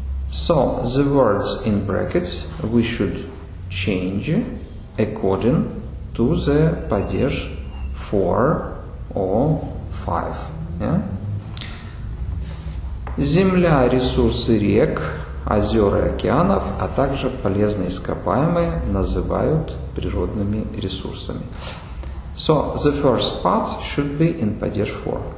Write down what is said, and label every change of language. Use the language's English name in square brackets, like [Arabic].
[English] So, the words in brackets we should change according to the падеж 4 or 5. Yeah? [Russian] Земля, ресурсы рек, озера и океанов, а также полезные ископаемые называют природными ресурсами. [English] So, the first part should be in падеж 4.